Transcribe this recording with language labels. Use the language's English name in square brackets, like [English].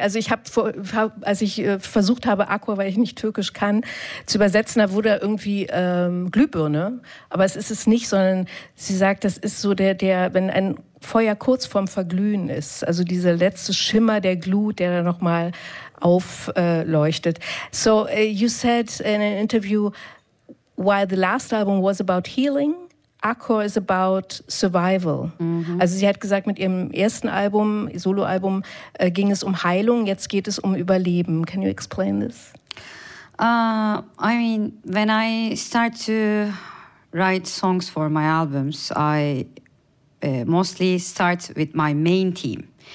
[German] Also ich habe, als ich versucht habe, Akkor, weil ich nicht Türkisch kann, zu übersetzen, da wurde irgendwie Glühbirne. Aber es ist es nicht, sondern sie sagt, das ist so der, wenn ein Feuer kurz vorm Verglühen ist, also dieser letzte Schimmer der Glut, der da nochmal aufleuchtet. [English] So you said in an interview, while the last album was about healing, Akkor is about survival. Mm-hmm. [German] Also sie hat gesagt, mit ihrem ersten Album, Soloalbum, ging es um Heilung, jetzt geht es um Überleben. [English] Can you explain this? I mean, when I start to write songs for my albums, I mostly start with my main team.